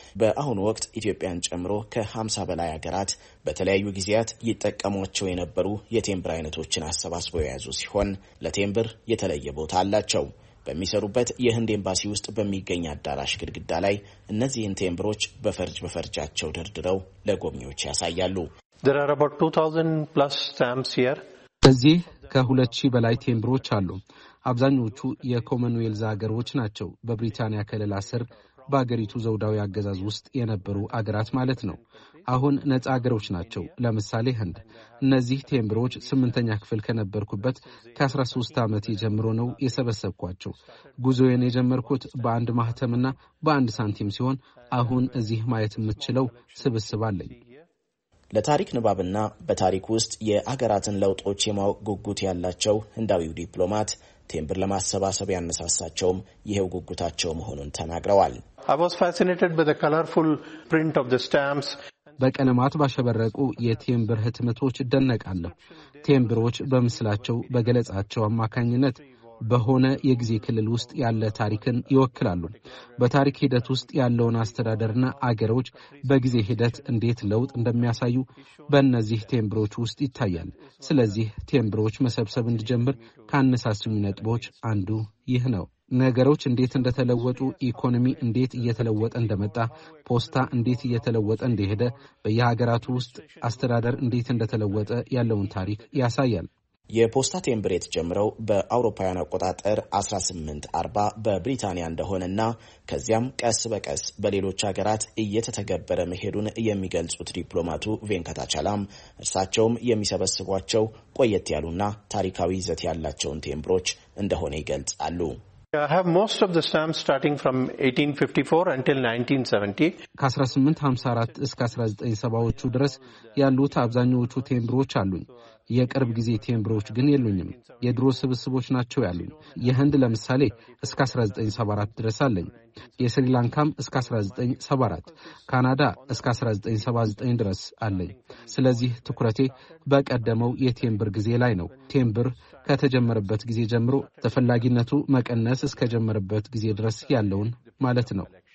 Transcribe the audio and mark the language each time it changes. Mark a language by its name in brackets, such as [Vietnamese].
[Amharic] በአሁኑ ወቅት ኢትዮጵያን ጨምሮ ከ50 በላይ ሀገራት በተለያዩ ጊዜያት ይጠቀሟቸው የነበሩ የቴምብር አይነቶችን አሰባስበው የያዙ ሲሆን ለቴምብር የተለየ ቦታ አላቸው። በሚሰሩበት የህንድ ኤምባሲ ውስጥ በሚገኝ አዳራሽ ግድግዳ ላይ እነዚህን ቴምብሮች በፈርጃቸው ደርድረው ለጎብኚዎች ያሳያሉ። [English] There are about 2000 plus stamps here. [Amharic] እዚህ ከ2000 በላይ ቴምብሮች አሉ። አብዛኞቹ የኮመንዌልዝ ሀገሮች ናቸው። በብሪታንያ ከለላ ስር በአገሪቱ ዘውዳዊ አገዛዝ ውስጥ የነበሩ አገራት ማለት ነው። አሁን ነጻ አገሮች ናቸው። ለምሳሌ ህንድ። እነዚህ ቴምብሮች 8ኛ ክፍል ከነበርኩበት ከ13 ዓመት ጀምሮ ነው የሰበሰብኳቸው። ጉዞዬን የጀመርኩት በአንድ ማህተምና በአንድ ሳንቲም ሲሆን አሁን እዚህ ማየት የምችለው ስብስብ አለኝ። ለታሪክ ንባብና በታሪክ ውስጥ የአገራትን ለውጦች የማወቅ ጉጉት ያላቸው ህንዳዊው ዲፕሎማት ቴምብር ለማሰባሰብ ያነሳሳቸውም ይሄው ጉጉታቸው መሆኑን ተናግረዋል። [English] I was fascinated by the colorful print of the stamps. [Amharic] በቀለማት ባሸበረቁ የቴምብር ህትመቶች ደነቃለሁ። ቴምብሮች በመስላቸው በገለጻቸው አማካኝነት በሆነ የጊዜ ክልል ውስጥ ያለ ታሪክን ይወክላሉ። በታሪክ ሂደት ውስጥ ያለውን አስተዳደርና አገሮች በጊዜ ሂደት እንዴት ለውጥ እንደሚያሳዩ በእነዚህ ቴምብሮች ውስጥ ይታያል። ስለዚህ ቴምብሮች መሰብሰብ እንድጀምር ካነሳሱኝ ነጥቦች አንዱ ይህ ነው። ነገሮች እንዴት እንደተለወጡ፣ ኢኮኖሚ እንዴት እየተለወጠ እንደመጣ፣ ፖስታ እንዴት እየተለወጠ እንደሄደ፣ በየሀገራቱ ውስጥ አስተዳደር እንዴት እንደተለወጠ ያለውን ታሪክ ያሳያል። የፖስታ ቴምብሬት ጀምረው በአውሮፓውያን አቆጣጠር 1840 በብሪታንያ እንደሆነና ከዚያም ቀስ በቀስ በሌሎች ሀገራት እየተተገበረ መሄዱን የሚገልጹት ዲፕሎማቱ ቬንካታቻላም እርሳቸውም የሚሰበስቧቸው ቆየት ያሉና ታሪካዊ ይዘት ያላቸውን ቴምብሮች እንደሆነ ይገልጻሉ። [English] I have most of the stamps starting from 1854 until 1970. [Amharic] ከ1854 እስከ 1970ዎቹ ድረስ ያሉት አብዛኞቹ ቴምብሮች አሉኝ። የቅርብ ጊዜ ቴምብሮች ግን የሉኝም። የድሮ ስብስቦች ናቸው ያሉኝ። የህንድ ለምሳሌ እስከ 1974 ድረስ አለኝ። የስሪላንካም እስከ 1974፣ ካናዳ እስከ 1979 ድረስ አለኝ። ስለዚህ ትኩረቴ በቀደመው የቴምብር ጊዜ ላይ ነው። ቴምብር ከተጀመረበት ጊዜ ጀምሮ ተፈላጊነቱ መቀነስ እስከ ጀመረበት ጊዜ ድረስ ያለውን ማለት ነው።